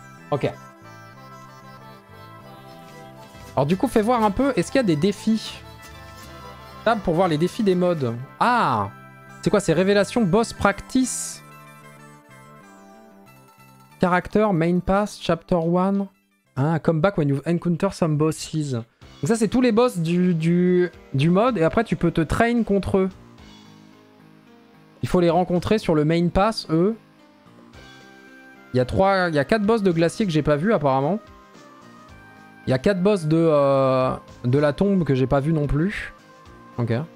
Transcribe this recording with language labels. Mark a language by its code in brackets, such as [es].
[fr] Ok. Alors du coup, fais voir un peu, est-ce qu'il y a des défis? Table pour voir les défis des modes. Ah! C'est quoi, c'est révélation, boss, practice? [en] Character, main pass, chapter 1. Ah, come back when you encounter some bosses. [fr] Donc ça, c'est tous les boss du mode, et après, tu peux te train contre eux. Il faut les rencontrer sur le main pass, eux. Il y a 4 boss de glacier que j'ai pas vu, apparemment. Il y a 4 boss de la tombe que j'ai pas vu non plus. Ok.